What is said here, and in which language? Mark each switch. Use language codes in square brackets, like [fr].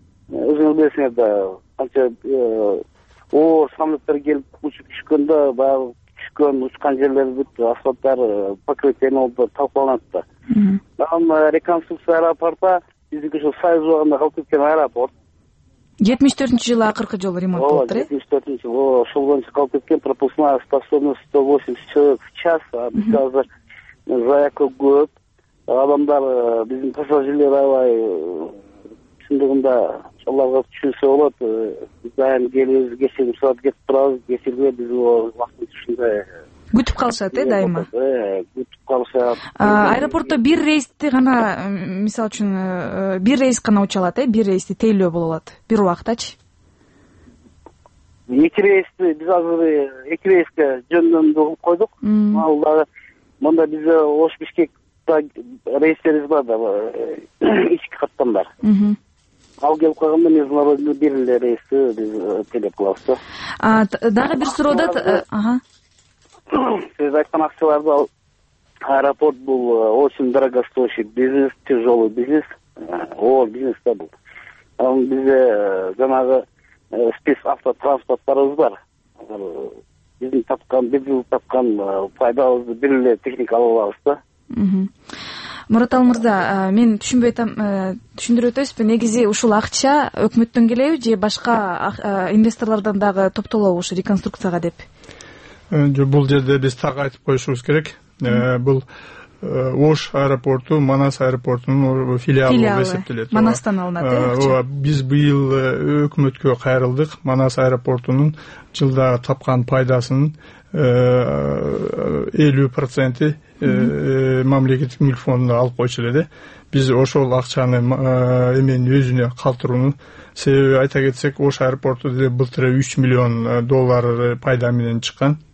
[ky] Өзүңөр билесиңер да, канча оор самолеттер келип учуп түшкөндө баягы түшкөн учкан жерлери бүт асфальттары покрытием болду, талкаланат да. Анан [ru] реконструкция аэропорта [ky] биздики ушул союз убагында калып кеткен аэропорт. 74-нчү жылы акыркы жолу ремонт болуптур. Ооба, 74-нчү жылы ошол боюнча калып кеткен. [ru] Пропускная способность 180 человек в час, а [ky] биз азыр заявка көп. Адамдар биздин пассажирлер аябай чындыгында аларга түшүнсө болот. Биз дайым келебиз, кечээ саат кетип турабыз, кечирбей биз убактыбызды ушундай күтүп калышат э, дайыма. Күтүп калышат. Аэропортто бир рейсти гана, мисалы үчүн бир рейс гана уча алат э, бир рейсти тейлөө боло алат бир убактачы. Эки рейсти биз азыр эки рейске жөндөмдү кылып койдук. Ал дагы мындай бизде Ош Бишкек рейстерибиз бар да, ички каттан бар. Ал келип калганда международный бир эле рейсти биз тейлеп кылабыз да. Дагы бир суроо да. Сиз айткан акчаларды ал аэропорт бул [ru] очень дорогостоящий бизнес, тяжелый бизнес, [ky] оор бизнес да бул. Анан бизде жанагы спец автотранспорттарыбыз бар. Биздин тапкан, бир жыл тапкан пайдабызды бир эле техника ала алабыз да. Муратал мырза, мен түшүнбөй атам, түшүндүрүп өтөсүзбү? Негизи ушул акча өкмөттөн келеби же башка инвесторлордон дагы топтолобу ушу реконструкцияга деп? Бул жерде биз так айтып коюшубуз керек. Бул Ош аэропорту Манас аэропортунун филиалы деп эсептелет. Манастан алынат э. Ооба, биз быйыл өкмөткө кайрылдык. Манас аэропортунун жылда тапкан пайдасынын 50% мамлекеттик мүлк фондуна алып койчу эле да. Биз ошол акчаны эменин өзүнө калтырууну, себеби айта кетсек, Ош аэропорту деле былтыр 3 миллион доллар пайда менен чыккан.